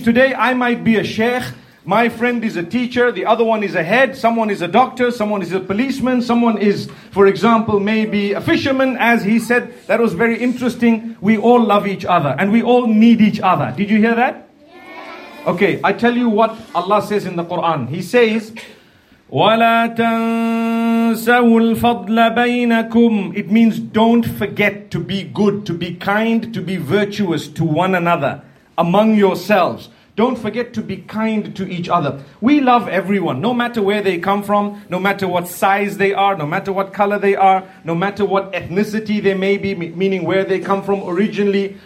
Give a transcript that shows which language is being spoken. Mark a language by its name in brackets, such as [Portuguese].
[English] Today I might be a sheikh, my friend is a teacher, the other one is a head, someone is a doctor, someone is a policeman, someone is, for example, maybe a fisherman, as he said. That was very interesting. We all love each other and we all need each other. Did you hear that? Yes. Okay, I tell you what Allah says in the Quran. He says, [Arabic] وَلَا تَنْسَوُ الْفَضْلَ بَيْنَكُمْ. [English] It means don't forget to be good, to be kind, to be virtuous to one another among yourselves. Don't forget to be kind to each other. We love everyone, no matter where they come from, no matter what size they are, no matter what color they are, no matter what ethnicity they may be, meaning where they come from originally.